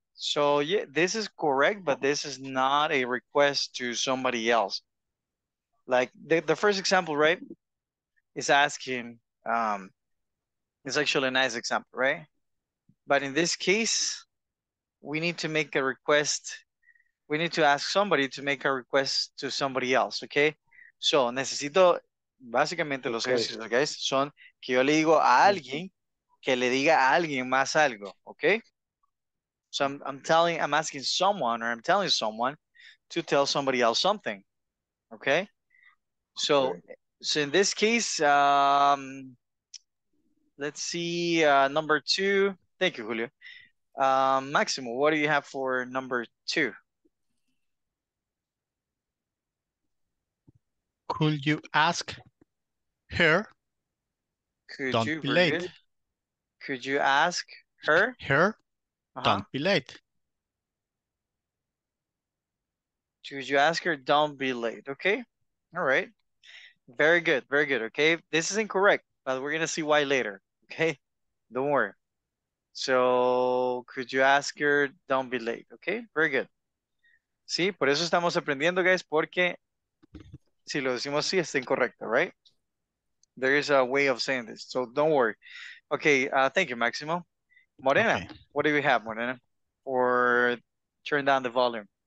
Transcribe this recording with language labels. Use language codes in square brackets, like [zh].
[en] So yeah, this is correct, but this is not a request to somebody else. Like the first example, right, is asking, it's actually a nice example, right? But in this case, we need to make a request. We need to ask somebody to make a request to somebody else, okay? [es] So necesito, básicamente los ejercicios, okay, son que yo le digo a alguien que le diga a alguien más algo, okay? [en] So I'm asking someone, or I'm telling someone to tell somebody else something, okay? So okay. So in this case, let's see, number two. Thank you, Julio. Maximo, what do you have for number two? Could you ask her? Could don't you, be late. Could you ask her? Her? Uh-huh. Don't be late. Could you ask her? Don't be late. Okay. All right. Very good. Very good. Okay. This is incorrect, but we're going to see why later. Okay. Don't worry. So, could you ask her? Don't be late. Okay. Very good. [es] Sí, por eso estamos aprendiendo, guys, porque si lo decimos así, está incorrecto, right? [en] There is a way of saying this, so don't worry. Okay, thank you, Maximo. Morena, okay. What do we have, Morena? Or turn down the volume.